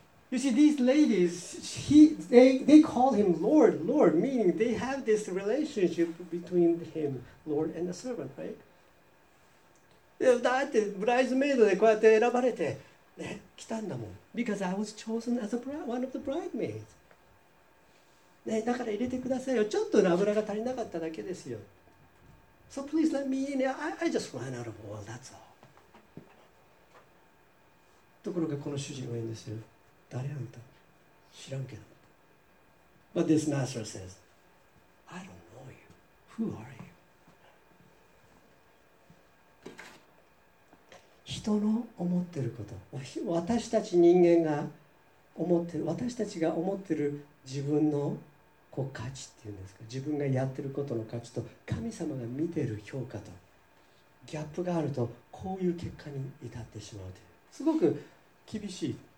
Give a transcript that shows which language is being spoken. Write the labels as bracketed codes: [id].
[en] You see, these ladies, they call him Lord, Lord, meaning they have this relationship between him, Lord, and the servant, right? [ja] だって、ブライズメイドでこうやって選ばれて、ね、来たんだもん。 [en] Because I was chosen as one of the bridesmaids.、 [ja] ね、だから入れてくださいよ。ちょっと油が足りなかっただけですよ。 [en] So please let me in. I just ran out of oil, that's all. [ja] ところがこの主人は言うんですよ。誰あんた知らんけど。 [en] But this master says, I don't know you. Who are you? [ja] 人の思ってること、私たち人間が思ってる、私たちが思ってる自分のこう価値っていうんですか、自分がやってることの価値と神様が見てる評価とギャップがあると、こういう結果に至ってしまうという、すごく厳しい。